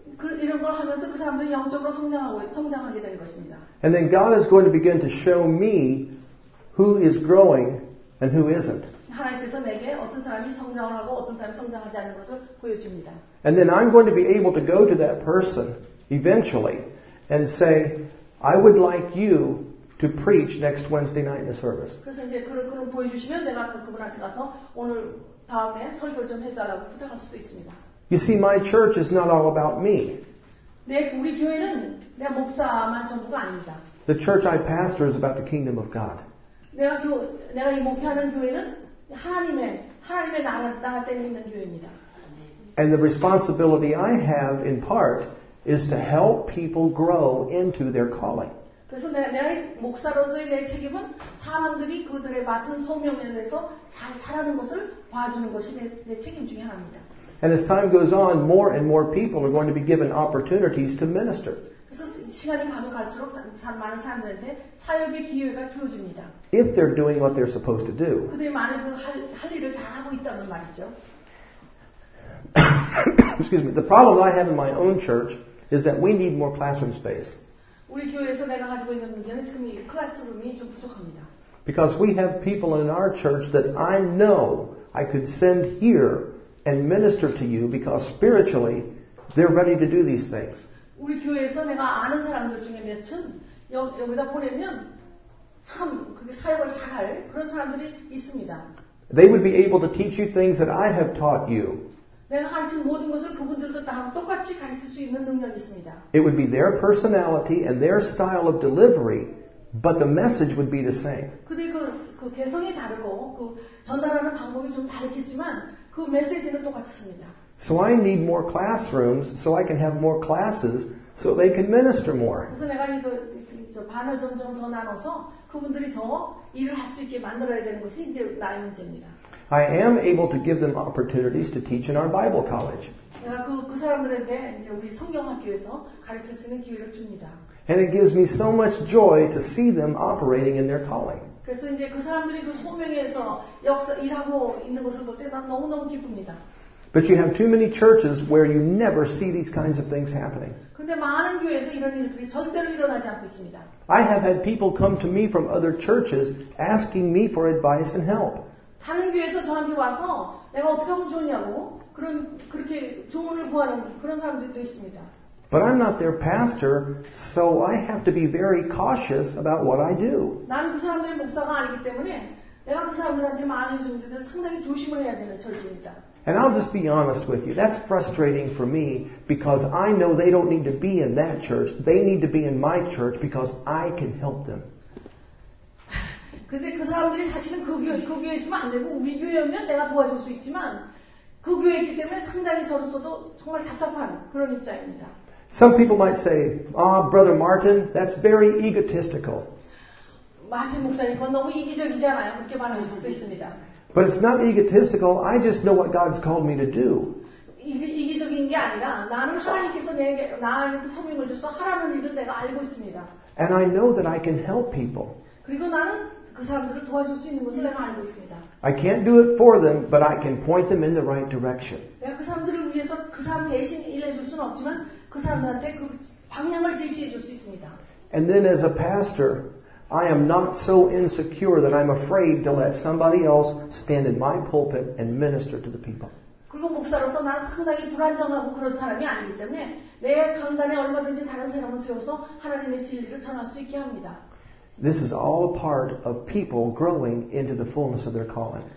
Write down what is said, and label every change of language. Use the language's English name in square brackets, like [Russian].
[Korean] 그 이런 걸 하면서 그 사람들이 영적으로 성장하게 되는 것입니다. [English] And then God is going to begin to show me who is growing and who isn't. [Korean] 하나님께서 내게 어떤 사람이 성장을 하고 어떤 사람이 성장하지 않는 것을 보여줍니다. [English] And then I'm going to be able to go to that person eventually and say, I would like you to preach next Wednesday night in the service. [Korean] 그래서 이제 그걸 보여주시면 내가 그분한테 가서 오늘 다음에 설교 좀 해달라고 부탁할 수도 있습니다. [English] You see, my church is not all about me. [Korean] 내 우리 교회는 내 목사만 전부가 아닙니다. [English] The church I pastor is about the kingdom of God. [Korean] 내가 이 목회하는 교회는 하나님의 나라 때문에 있는 교회입니다. [English] And the responsibility I have in part is to help people grow into their calling. [Korean] 그래서 내 목사로서의 내 책임은 사람들이 그들의 맡은 소명에 대해서 잘 자라는 것을 봐주는 것이 내 책임 중에 하나입니다. [English] And as time goes on, more and more people are going to be given opportunities to minister. [Korean] 그래서 시간이 가면 갈수록 많은 사람들한테 사역의 기회가 주어집니다. [English] If they're doing what they're supposed to do. [Korean] 그들이 많은 할 일을 잘하고 있다는 말이죠. [English] Excuse me. The problem I have in my own church is that we need more classroom space. [Korean] 우리 교회에서 내가 가지고 있는 문제는 지금 이 클래스룸이 좀 부족합니다. [English] Because we have people in our church that I know I could send here and minister to you because spiritually they're ready to do these things. [Korean] 우리 교회에서 내가 아는 사람들 중에 몇은 여기다 보내면 참 그게 사역을 잘할 그런 사람들이 있습니다. [English] They would be able to teach you things that I have taught you. [Korean] 내가 가르친 모든 것을 그분들도 나랑 똑같이 가르칠 수 있는 능력이 있습니다. [English] It would be their personality and their style of delivery, but the message would be the same. [Korean] 그들이 그 개성이 다르고 그 전달하는 방법이 좀 다르겠지만 그 메시지는 똑같습니다. [English] So I need more classrooms so I can have more classes so they can minister more. [Korean] 그래서 내가 이거 반을 점점 더 나눠서 그분들이 더 일을 할 수 있게 만들어야 되는 것이 이제 나의 문제입니다. [English] I am able to give them opportunities to teach in our Bible college. [Korean] 그 사람들한테 이제 우리 성경학교에서 가르칠 수 있는 기회를 줍니다. [English] And it gives me so much joy to see them operating in their calling. [Korean] 그래서 이제 그 사람들이 그 소명에서 역사 일하고 있는 것을 볼 때 난 너무너무 기쁩니다. [English] But you have too many churches where you never see these kinds of things happening. [Korean] 근데 많은 교회에서 이런 일들이 절대로 일어나지 않고 있습니다. [English] I have had people come to me from other churches asking me for advice and help. [Korean] 다른 교회에서 저한테 와서 내가 어떻게 하면 좋냐고 그렇게 조언을 구하는 그런 사람들도 있습니다. [English] But I'm not their pastor, so I have to be very cautious about what I do. [Korean] 나는 그 사람들의 목사가 아니기 때문에 내가 그 사람들한테 말해 주는 데 상당히 조심을 해야 되는 절제입니다. [English] And I'll just be honest with you. That's frustrating for me because I know they don't need to be in that church. They need to be in my church because I can help them. [Korean] 근데 그 사람들이 사실은 그 교회에 있으면 안 되고 우리 교회면 내가 도와줄 수 있지만 그 교회에 있기 때문에 상당히 저로서도 정말 답답한 그런 입장입니다. [English] Some people might say, "Ah, Brother Martin, that's very egotistical." [Korean] 마틴 목사님, 그건 너무 이기적이잖아요. 그렇게 말할 수도 있습니다. [English] But it's not egotistical. I just know what God's called me to do. [Korean] 이기적인 게 아니라 나는 하나님께서 나한테 소명을 줘서 하라는 일을 내가 알고 있습니다. [English] And I know that I can help people. [Korean] 그리고 나는 그 사람들을 도와줄 수 있는 것을 내가 알고 있습니다. [English] I can't do it for them, but I can point them in the right direction. [Korean] 내가 그 사람들을 위해서 그 사람 대신 일해줄 수는 없지만 그 사람들한테 그 방향을 제시해줄 수 있습니다. [English] And then as a pastor, I am not so insecure that I'm afraid to let somebody else stand in my pulpit and minister to the people. [Korean] 그리고 목사로서 나는 상당히 불안정하고 그런 사람이 아니기 때문에 내 강단에 얼마든지 다른 사람을 세워서 하나님의 진리를 전할 수 있게 합니다. [English] This is all a part of people growing into the fullness of their calling.